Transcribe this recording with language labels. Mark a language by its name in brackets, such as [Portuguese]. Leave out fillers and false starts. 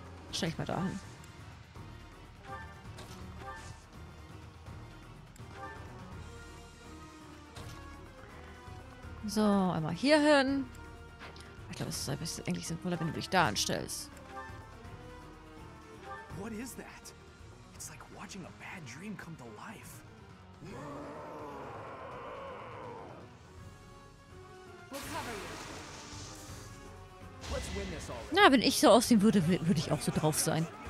[German] Stell ich mal da hin. So, einmal hier hin. Ich glaube, es ist eigentlich sinnvoller, wenn du dich da anstellst. [English] What is that? It's like watching a bad dream come to life. [German] Na, wenn ich so aussehen würde, würde ich auch so drauf sein.